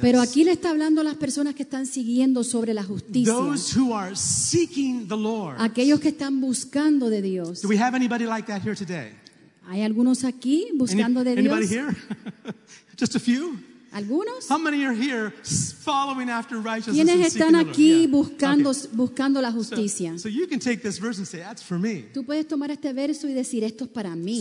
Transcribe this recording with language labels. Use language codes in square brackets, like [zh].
[es] Pero aquí le está hablando a las personas que están siguiendo sobre la justicia. [en] Those who are seeking the Lord. [es] Aquellos que están buscando de Dios. [en] Do we have anybody like that here today? [es] ¿Hay algunos aquí buscando de Dios? [en] Anybody here? Just a few? [es] ¿Algunos? [en] How many are here following after righteousness? [es] ¿Quiénes están aquí [en] the Lord? [es] Yeah. Buscando, okay. Buscando la justicia? [en] So you can take this verse and say, "That's for me." [es] Tú puedes tomar este verso y decir, "Esto es para mí."